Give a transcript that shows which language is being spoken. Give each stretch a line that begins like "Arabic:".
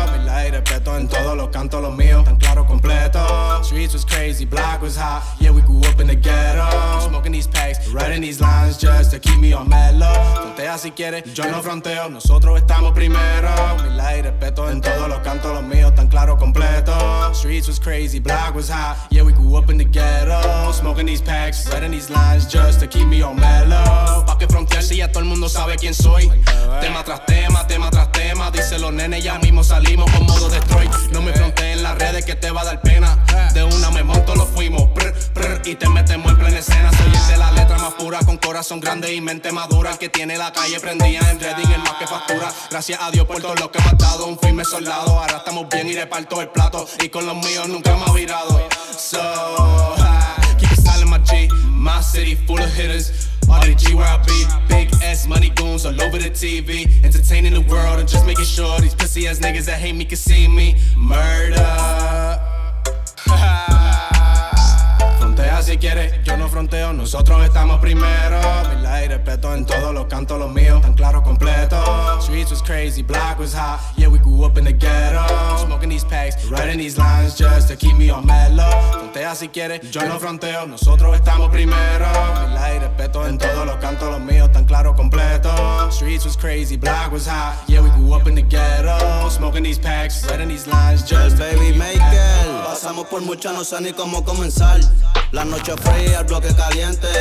Spanish: Mil aire, respeto en todos los cantos, los míos tan claro, completo.
English: Streets was crazy, black was hot. Yeah, we grew up in the ghetto. Smoking these packs, writing these lines just to keep me on mellow.
Spanish: Frontea si quieres, yo no fronteo, nosotros estamos primero. Mil aire, respeto en todos los cantos, los míos tan claro, completo.
English: Streets was crazy, black was hot. Yeah, we grew up in the ghetto. Smoking these packs, writing these lines just to keep me on mellow.
Spanish: Pa' que frontear si ya todo el mundo sabe quién soy. Tema tras tema, tema tras tema. Dice los nenes, ya mismo salimos con modo destroy. No me fronteé en las redes que te va a dar pena. De una me monto, lo fuimos prr, prr, y te metemos en plena escena. Soy el de la letra más pura, con corazón grande y mente madura. El que tiene la calle prendida en Reading, el más que factura. Gracias a Dios por todo lo que me has dado. Un firme soldado, ahora estamos bien y reparto el plato. Y con los míos nunca me ha virado.
English: So, keep it silent, my G. My city full of hitters. RDG where I be, big ass money goons all over the TV. Entertaining the world and just making sure these pussy ass niggas that hate me can see me.
Spanish: Murder. Frontea si quieres, yo no fronteo, nosotros estamos primero. Mil aire, respeto en todos los cantos, los míos tan claro, completo.
English: Streets was crazy, black was hot. Yeah, we grew up in the ghetto. Smoking these packs, writing these lines just to keep me on mellow.
Spanish: Frontea si quieres, yo no fronteo, nosotros estamos primero. Mil aire, respeto en todos los cantos, los míos tan claro, completo.
English: Streets was crazy, black was hot. Yeah, we grew up in the ghetto. Smoking these packs, writing these lines just to BabyMaker.
Spanish: Pasamos por mucha, no sé ni cómo comenzar. La noche fría, el bloque caliente.